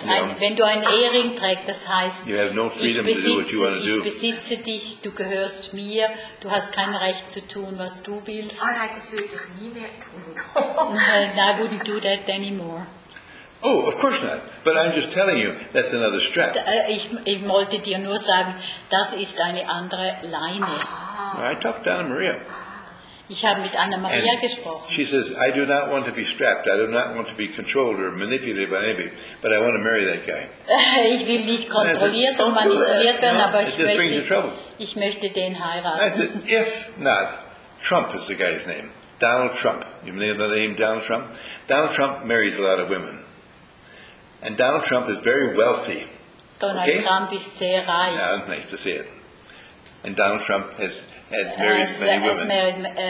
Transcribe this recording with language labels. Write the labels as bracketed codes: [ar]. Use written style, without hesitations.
[de] Heißt, wenn du einen Ehering trägst, das heißt, [en] you have no freedom [de] besitze, [en] to do what you want to do. [de] Ich besitze dich, du gehörst mir, du hast kein Recht zu tun, was du willst. Oh, nein, das würde ich nie mehr tun. [en] I wouldn't do that anymore. Oh, of course not. But I'm just telling you, that's another strap. [de] Ich wollte dir nur sagen, das ist eine andere Leine. [en] I talked to Anna Maria. [de] Ich habe mit Anna Maria gesprochen. [en] She says, I do not want to be strapped. I do not want to be controlled or manipulated by anybody. But I want to marry that guy. [de] Ich will nicht kontrolliert und manipuliert werden, aber ich möchte den heiraten. [en] I said, if not, Trump is the guy's name. Donald Trump. You know the name Donald Trump? Donald Trump marries a lot of women. And Donald Trump is very wealthy. [de] Donald Trump is sehr reich. [en] Yeah, nice to see it. And Donald Trump has married